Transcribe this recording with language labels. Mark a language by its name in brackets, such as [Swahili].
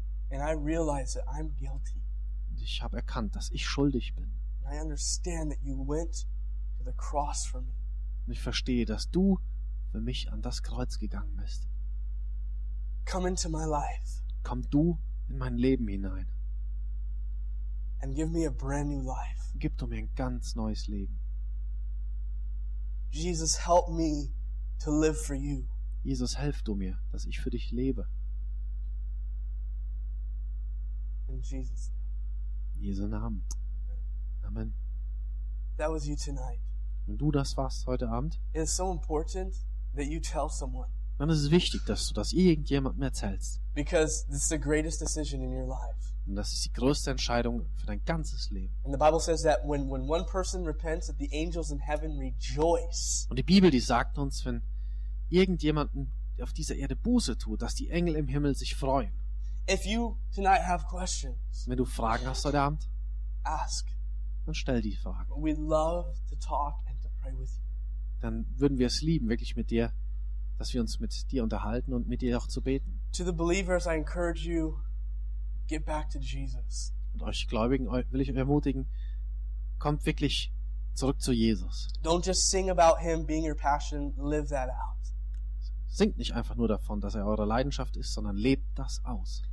[English] And I realize that I'm guilty. [German] Und ich habe erkannt, dass ich schuldig bin. [English] And I understand that you went to the cross for me. [German] Und ich verstehe, dass du für mich an das Kreuz gegangen bist. [English] Come into my life. [German] Komm du in mein Leben hinein. [English] And give me a brand new life. [German] Gib du mir ein ganz neues Leben. [English] Jesus, help me to live for you. [German] Jesus, helf du mir, dass ich für dich lebe. [English] In Jesus. [German] In Jesu Namen. Amen. [English] That was you tonight. [German] Und du, das warst heute Abend. [English] It is so important that you tell someone. [German] Dann ist es wichtig, dass du das irgendjemandem erzählst. [English] Because this is the greatest decision in your life. [German] Und das ist die größte Entscheidung für dein ganzes Leben. [English] And the Bible says that when one person repents, that the angels in heaven rejoice. [German] Und die Bibel, die sagt uns, wenn irgendjemanden, der auf dieser Erde Buße tut, dass die Engel im Himmel sich freuen. [English] If you tonight have questions, [German] wenn du Fragen hast heute Abend, [English] ask. [German] Dann stell die Fragen. [English] We love to talk and to pray with you. [German] Dann würden wir es lieben, wirklich mit dir, dass wir uns mit dir unterhalten und mit dir auch zu beten. [English] To the believers, I encourage you, get back to Jesus. [German] Und euch Gläubigen will ich ermutigen, kommt wirklich zurück zu Jesus. [English] Don't just sing about him being your passion, live that out. [German] Singt nicht einfach nur davon, dass er eure Leidenschaft ist, sondern lebt das aus.